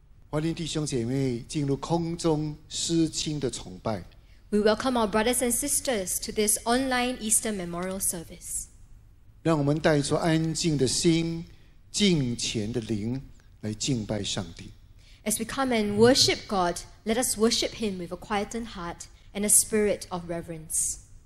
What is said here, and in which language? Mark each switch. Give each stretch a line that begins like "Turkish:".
Chinese: 欢迎弟兄姐妹进入空中思亲的崇拜。
English: We welcome our brothers and sisters to this online Easter memorial service.
Chinese: 让我们带着安静的心，敬虔的灵来敬拜上帝。
English: As we come and worship God, let us worship Him with a quietened heart and a spirit of reverence.